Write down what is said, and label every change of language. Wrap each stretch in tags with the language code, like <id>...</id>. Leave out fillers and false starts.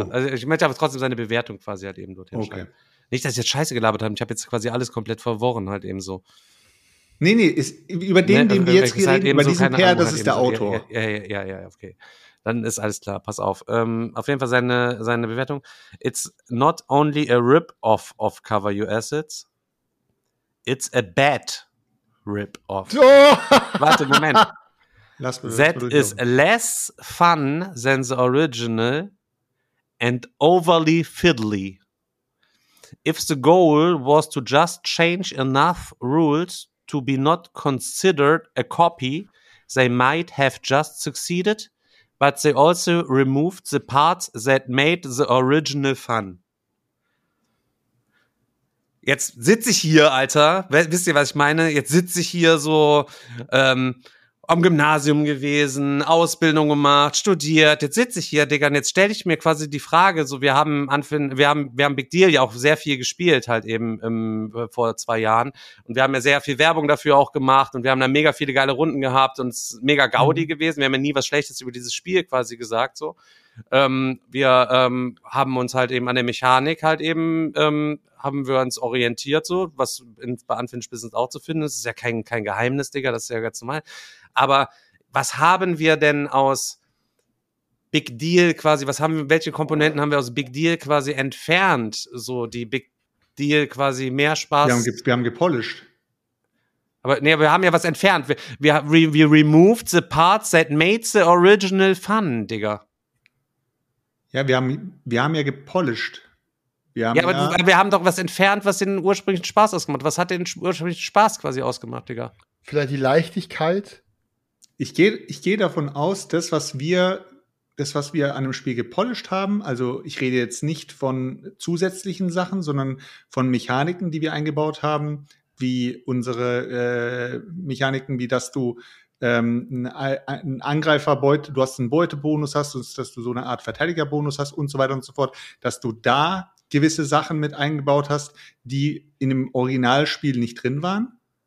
<de>Also ich möchte aber trotzdem seine Bewertung quasi halt eben dort hinschreiben. Okay. Nicht, dass ich jetzt Scheiße gelabert habe, ich habe jetzt quasi alles komplett verworren halt eben so. Nee, ist, über den, ne, den wir jetzt reden, halt über so diesen Pair, Ahnung, das halt ist der so. Autor. Ja, okay. Dann ist alles klar, pass auf. Auf jeden Fall seine Bewertung.</de> <en>It's not only a rip-off of Cover Your Assets, it's a bad rip-off. Oh!</en> <de>Warte, Moment. Lass mich that durchgehen.</de> <en>Is less fun than the original and overly fiddly. If the goal was to just change enough rules to be not considered a copy, they might have just succeeded. But they also removed the parts that made the original fun.</en> <de>Jetzt sitze ich hier, Alter. Wisst ihr, was ich meine? Jetzt sitze ich hier so am Gymnasium gewesen, Ausbildung gemacht, studiert. Jetzt sitze ich hier, Digga, und jetzt stelle ich mir quasi die Frage, so wir haben Big Deal ja auch sehr viel gespielt, halt eben vor 2 Jahren. Und wir haben ja sehr viel Werbung dafür auch gemacht und wir haben da mega viele geile Runden gehabt und es ist mega Gaudi gewesen. Wir haben ja nie was Schlechtes über dieses Spiel quasi gesagt, so. Wir haben uns halt eben an der Mechanik halt eben, haben wir uns orientiert, so, was bei Unfinished Business auch zu finden ist. Das ist ja kein Geheimnis, Digga, das ist ja ganz normal. Aber was haben wir denn aus Big Deal quasi, welche Komponenten haben wir aus Big Deal quasi entfernt, so die Big Deal quasi mehr Spaß? Wir haben gepolished. Aber nee, wir haben ja was entfernt. Wir</de> <en>removed the parts that made the original fun, Digga.</en> <de>Ja, wir haben ja gepolished. Wir haben doch was entfernt, was den ursprünglichen Spaß ausgemacht. Was hat den ursprünglichen Spaß quasi ausgemacht, Digga? Vielleicht die Leichtigkeit. Ich gehe davon aus, das, was wir an dem Spiel gepolished haben, also ich rede jetzt nicht von zusätzlichen Sachen, sondern von Mechaniken, die wir eingebaut haben, wie unsere Mechaniken, wie dass du ein Angreiferbeute, du hast einen Beutebonus hast, dass du so eine Art Verteidigerbonus hast und so weiter und so fort, dass du da gewisse Sachen mit eingebaut hast, die in dem Originalspiel nicht drin waren.</de>